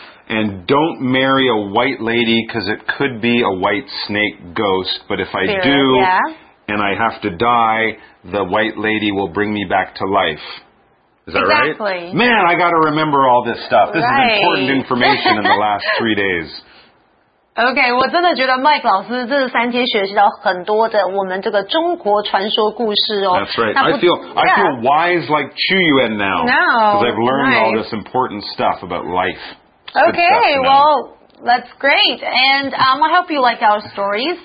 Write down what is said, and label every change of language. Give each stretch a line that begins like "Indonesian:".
English: And don't marry a white lady because it could be a white snake ghost. But if I do, and I have to die, the white lady will bring me back to life. Is that right? Exactly. Man, I got to remember all this stuff. This is important information in the last 3 days.
Chinese: OK, 我真的觉得 Mike 老师这三天学习到很多的我们这个中国传说故事哦。
English: That's right. I feel wise like Chu Yuan now. No. Because I've learned all this important stuff about life. That's great. And I hope you liked our stories.